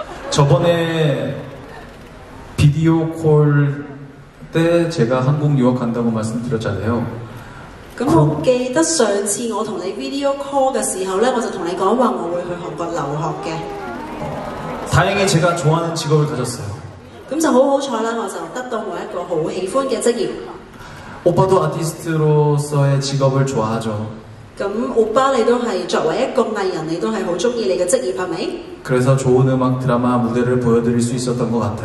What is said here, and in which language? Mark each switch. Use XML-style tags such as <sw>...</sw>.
<ko>저번에 비디오 콜 때 제가 한국 유학한다고 말씀드렸잖아요.</ko> <yue>咁我記得上次我同你 video call 嘅時候咧，我就同你講話我會去韓國留學嘅。</yue> <ko>다행히 제가 좋아하는 직업을 가졌어요。</ko> <yue>咁就好好彩啦，我就得到我一個好喜歡嘅職業。</yue> <ko>오빠도 아티스트로서의 직업을 좋아하죠。</ko> <yue>咁오빠你都係作為一個藝人，你都係好中意你嘅職業，係咪？</yue> <ko>그래서 좋은 음악 드라마 무대를 보여드릴 수 있었던 것</ko>